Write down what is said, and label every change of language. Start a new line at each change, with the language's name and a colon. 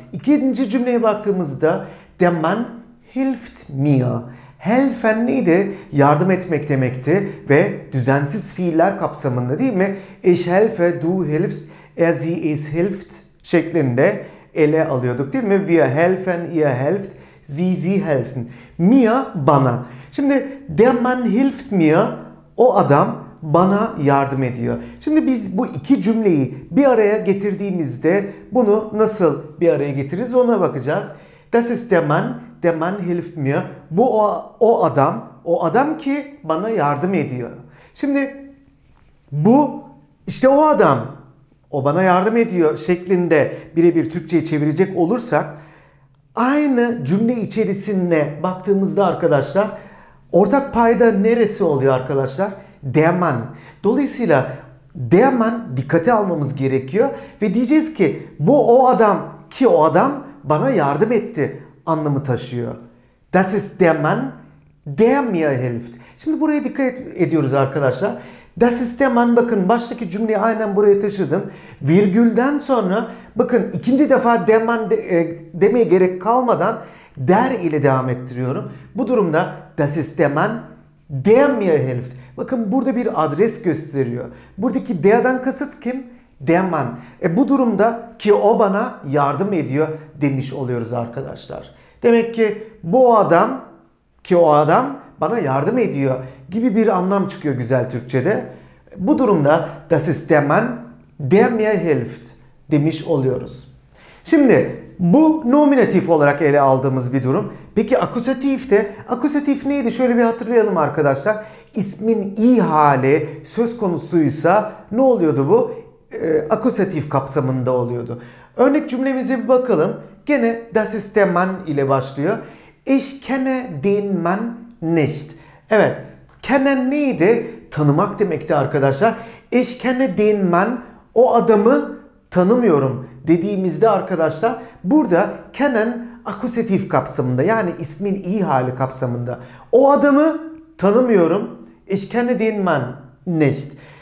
Turkish: İkinci cümleye baktığımızda
German: der Mann hilft mir.
Turkish: Helfen neydi? Yardım etmek demekti ve düzensiz fiiller kapsamında, değil mi?
German: Ich helfe, du hilfst, er, sie, es hilft
Turkish: şeklinde ele alıyorduk, değil mi?
German: Wir helfen, ihr helft, sie, sie helfen.
Turkish: Mir, bana. Şimdi
German: der Mann hilft mir,
Turkish: o adam bana yardım ediyor. Şimdi biz bu iki cümleyi bir araya getirdiğimizde bunu nasıl bir araya getiririz ona bakacağız.
German: Das ist der Mann hilft mir.
Turkish: Bu o adam, o adam ki bana yardım ediyor. Şimdi bu işte o adam, o bana yardım ediyor şeklinde birebir Türkçe'ye çevirecek olursak aynı cümle içerisine baktığımızda arkadaşlar ortak payda neresi oluyor arkadaşlar? Der Mann. Dolayısıyla der Mann dikkate almamız gerekiyor ve diyeceğiz ki bu o adam ki o adam bana yardım etti anlamı taşıyor.
German: Das ist der Mann, der mir hilft.
Turkish: Şimdi buraya dikkat ediyoruz arkadaşlar.
German: Das ist der Mann,
Turkish: bakın baştaki cümleyi aynen buraya taşıdım. Virgülden sonra bakın ikinci defa der Mann demeye gerek kalmadan der ile devam ettiriyorum. Bu durumda
German: das ist der Mann, der mir hilft.
Turkish: Bakın burada bir adres gösteriyor. Buradaki der'den kasıt kim? Der Mann. Bu durumda ki o bana yardım ediyor demiş oluyoruz arkadaşlar. Demek ki bu adam ki o adam bana yardım ediyor gibi bir anlam çıkıyor güzel Türkçe'de. Bu durumda
German: das ist der Mann, der mir hilft
Turkish: demiş oluyoruz. Şimdi bu nominatif olarak ele aldığımız bir durum. Peki akusatif de, akusatif neydi? Şöyle bir hatırlayalım arkadaşlar. İsmin ihale söz konusuysa ne oluyordu bu? Akusatif kapsamında oluyordu. Örnek cümlemize bir bakalım. Gene
German: das ist der Mann
Turkish: ile başlıyor.
German: Ich kenne den Mann nicht.
Turkish: Evet. Kenne neydi? Tanımak demekti arkadaşlar.
German: Ich kenne den Mann,
Turkish: o adamı tanımıyorum dediğimizde arkadaşlar burada kenen akusatif kapsamında, yani ismin ihali kapsamında. O adamı tanımıyorum.
German: Ich kenne den Mann nicht.